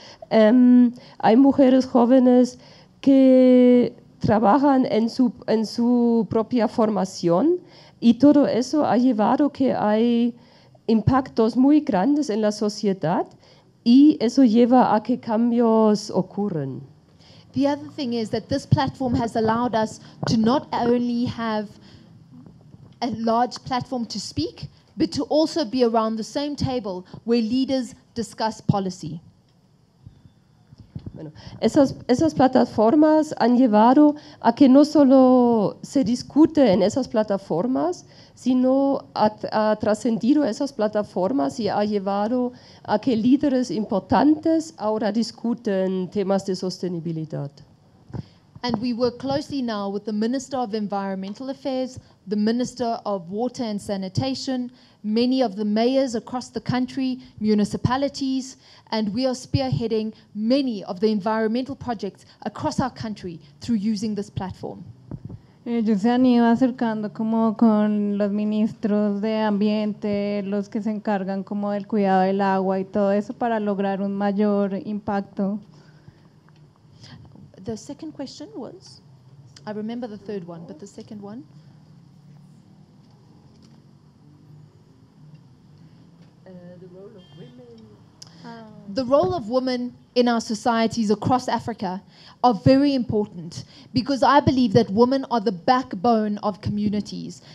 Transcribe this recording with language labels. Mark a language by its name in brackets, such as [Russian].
[Spanish] Hay mujeres jóvenes que trabajan en su propia formación y todo eso ha llevado que hay impactos muy grandes en la sociedad y eso lleva a que cambios ocurran. [English] The other thing is that this platform has allowed us to not only have a large platform to speak, but to also be around the same table where leaders discuss policy. [Spanish] Bueno, esas plataformas han llevado a que no solo se discute en esas plataformas, sino ha trascendido esas plataformas y ha llevado a que líderes importantes ahora discuten temas de sostenibilidad. [English] And we work closely now with the Minister of Environmental Affairs, the Minister of Water and Sanitation, many of the mayors across the country, municipalities, and we are spearheading many of the environmental projects across our country through using this platform. [Spanish] Ellos se han ido acercando como con los ministros de ambiente, los que se encargan como del cuidado del agua y todo eso para lograr un mayor impacto. [English] The second question was, I remember the third one, but the second one. The role of women in our societies across Africa are very important because I believe that women are the backbone of communities.